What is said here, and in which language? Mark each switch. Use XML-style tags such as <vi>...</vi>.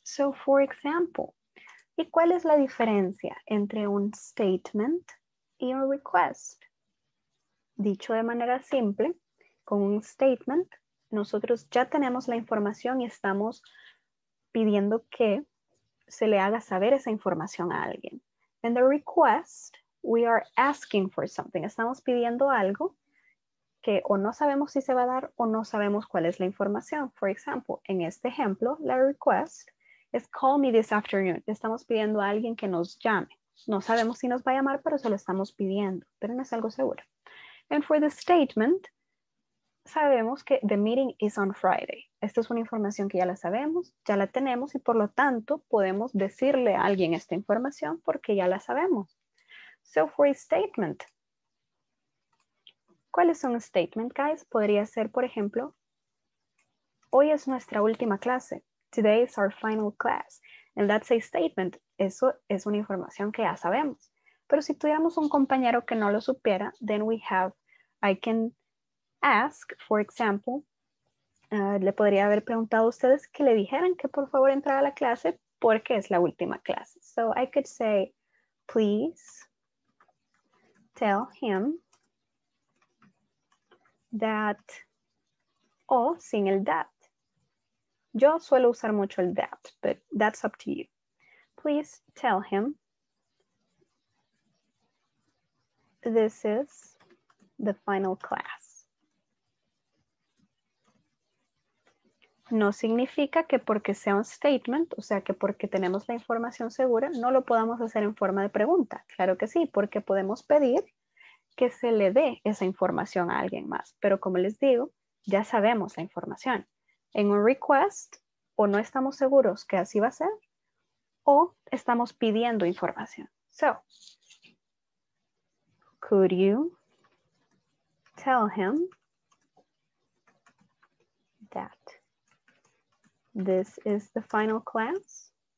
<es>So, for example, ¿y cuál es la diferencia entre un statement y un request? Dicho de manera simple, con un statement, nosotros ya tenemos la información y estamos pidiendo que se le haga saber esa información a alguien.</es> <en>In the request, we are asking for something.</en> <es>Estamos pidiendo algo que o no sabemos si se va a dar o no sabemos cuál es la información.</es> <en>For example, en este ejemplo, la request is call me this afternoon.</en> <es>Estamos pidiendo a alguien que nos llame. No sabemos si nos va a llamar, pero se lo estamos pidiendo, pero no es algo seguro.</es> <en>And for the statement, sabemos que the meeting is on Friday.</en> <es>Esta es una información que ya la sabemos, ya la tenemos, y por lo tanto podemos decirle a alguien esta información porque ya la sabemos.</es> <en>So for a statement, ¿cuál es un statement, guys?</en> <es>Podría ser, por ejemplo, hoy es nuestra última clase.</es> <en>Today is our final class. And that's a statement. Eso es una información que ya sabemos.</en> <es>Pero si tuviéramos un compañero que no lo supiera, then we have, I can ask, for example, le podría haber preguntado a ustedes que le dijeran que por favor entrara a la clase porque es la última clase.</es> <en>So I could say, please tell him that, o sin el that. Yo suelo usar mucho el that, but that's up to you. Please tell him this is the final class.</en> <es>No significa que porque sea un statement, o sea, que porque tenemos la información segura, no lo podamos hacer en forma de pregunta. Claro que sí, porque podemos pedir que se le dé esa información a alguien más. Pero como les digo, ya sabemos la información. En un request, o no estamos seguros que así va a ser, o estamos pidiendo información.</es> <en>So, could you tell him that this is the final class?</en>